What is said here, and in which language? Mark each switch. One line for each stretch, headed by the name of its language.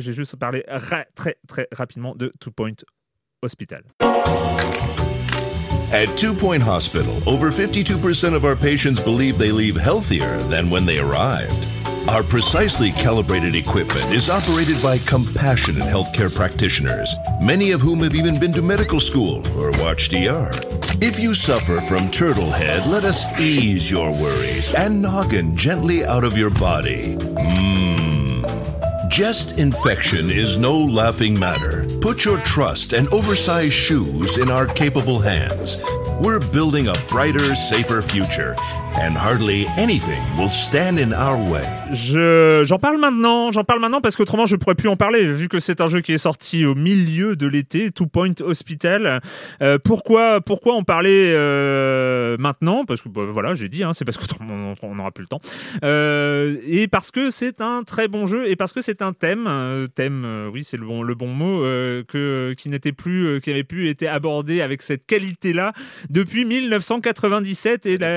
French: Je vais juste parler très, très rapidement de Two Point Hospital.
English: At Two Point Hospital, over 52% of our patients believe they leave healthier than when they arrived. Our precisely calibrated equipment is operated by compassionate healthcare practitioners, many of whom have even been to medical school or watched ER. If you suffer from turtle head, let us ease your worries and noggin gently out of your body. Jest infection is no laughing matter. Put your trust and oversized shoes in our capable hands. We're building a brighter, safer future. And hardly anything will stand in our way.
French: J'en parle maintenant parce qu'autrement je pourrais plus en parler vu que c'est un jeu qui est sorti au milieu de l'été, Two Point Hospital. Pourquoi en parler maintenant? Parce que j'ai dit, c'est parce qu'autrement on n'aura plus le temps. Et parce que c'est un très bon jeu et parce que c'est un thème, c'est le bon mot, qui n'avait plus été abordé avec cette qualité-là depuis 1997.